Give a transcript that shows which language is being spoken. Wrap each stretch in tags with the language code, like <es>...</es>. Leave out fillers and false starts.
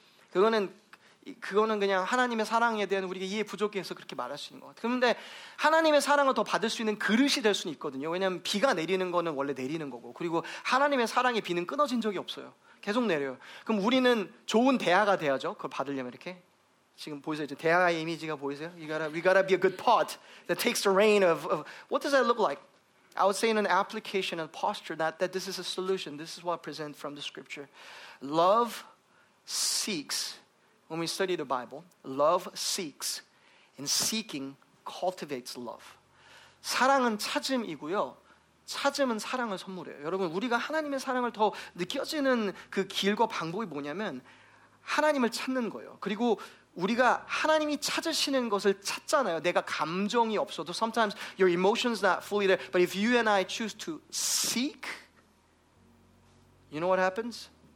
<ko>그거는 그냥 하나님의 사랑에 대한 우리가 이해 부족해서 그렇게 말할 수 있는 것 같아요. 그런데 하나님의 사랑을 더 받을 수 있는 그릇이 될 수는 있거든요. 왜냐하면 비가 내리는 거는 원래 내리는 거고 그리고 하나님의 사랑의 비는 끊어진 적이 없어요. 계속 내려요. 그럼 우리는 좋은 대화가 돼야죠. 그걸 받으려면 이렇게 지금 보이세요? 대화 이미지가 보이세요?</ko> <en>We gotta be a good pot that takes the rain of what does that look like? I would say in an application and posture that this is a solution. This is what I present from the scripture. Love seeks. When we study the Bible, love seeks, and seeking cultivates love.</en> <ko>사랑은 찾음이고요. 찾음은 사랑을 선물해요. 여러분, 우리가 하나님의 사랑을 더 느껴지는 그 길과 방법이 뭐냐면 하나님을 찾는 거예요. 그리고 우리가 하나님이 찾으시는 것을 찾잖아요. 내가 감정이 없어도</ko> <en>sometimes your emotions not fully there. But if you and I choose to seek, you know what happens?</en>